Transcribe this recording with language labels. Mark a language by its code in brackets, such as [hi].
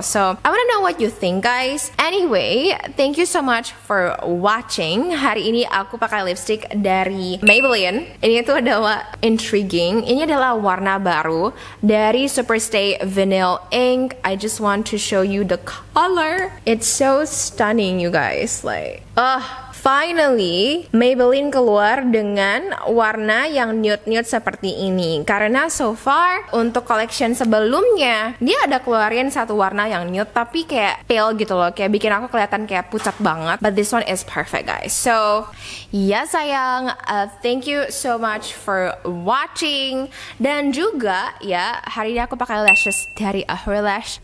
[en] So I wanna know what you think guys. Anyway, thank you so much for watching. [id] Hari ini aku pakai lipstick dari Maybelline. Ini tuh adalah intriguing. Ini adalah warna baru dari Superstay Vanilla Ink. [en] I just want to show you the color. It's so stunning, you guys. Finally, [id] Maybelline keluar dengan warna yang nude-nude seperti ini. Karena [en] so far, [id] untuk collection sebelumnya, dia ada keluarin satu warna yang nude, tapi kayak pale gitu loh. Kayak bikin aku kelihatan kayak pucat banget. [en] But this one is perfect, guys. [id] So, ya sayang, [en] thank you so much for watching. [id] Dan juga, ya, hari ini aku pakai lashes dari Ahrilash.